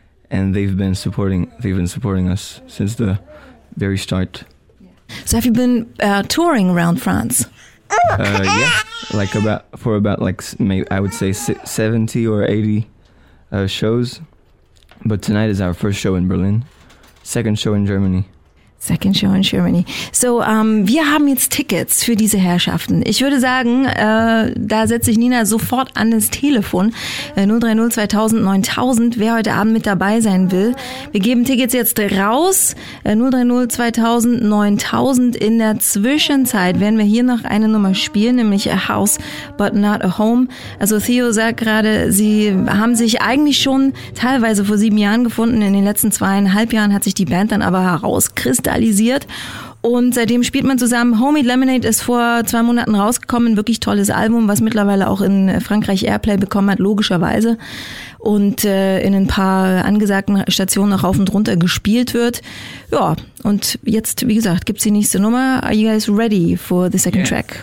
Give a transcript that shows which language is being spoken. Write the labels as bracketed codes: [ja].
[en] And they've been supporting us since the very start. So have you been touring around France? Yeah, like about 70 or 80 shows. But tonight is our first show in Berlin, second show in Germany. Second show in Germany. [de] So, wir haben jetzt Tickets für diese Herrschaften. Ich würde sagen, da setze ich Nina sofort an das Telefon. 030 2000 9000, wer heute Abend mit dabei sein will. Wir geben Tickets jetzt raus. 030 2000 9000. In der Zwischenzeit werden wir hier noch eine Nummer spielen, nämlich A House But Not A Home. Also Theo sagt gerade, sie haben sich eigentlich schon teilweise vor 7 Jahren gefunden. In den letzten 2,5 Jahren hat sich die Band dann aber herauskristallisiert. Und seitdem spielt man zusammen. Homemade Lemonade ist vor 2 Monaten rausgekommen. Wirklich tolles Album, was mittlerweile auch in Frankreich Airplay bekommen hat, logischerweise. Und in ein paar angesagten Stationen auch rauf und runter gespielt wird. Ja, und jetzt, wie gesagt, gibt's die nächste Nummer. [en] Are you guys ready for the second track?